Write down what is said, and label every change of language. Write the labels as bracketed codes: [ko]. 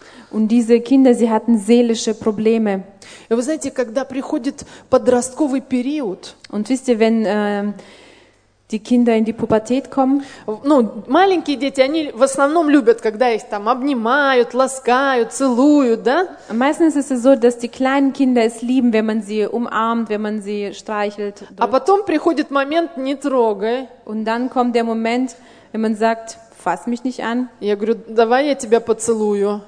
[de] Und diese Kinder, sie hatten seelische Probleme. Und wisst ihr, wenn die Kinder in die Pubertät kommen? [ru] Ну, маленькие дети, они в основном любят, когда их там обнимают, ласкают, целуют, да? [de] Meistens ist es so, dass die kleinen Kinder es lieben, wenn man sie umarmt, wenn man sie streichelt. [ru] А потом приходит момент, не трогай. [de] Und dann kommt der Moment, wenn man sagt, fass mich nicht an. [ru] Я говорю, давай я тебя поцелую.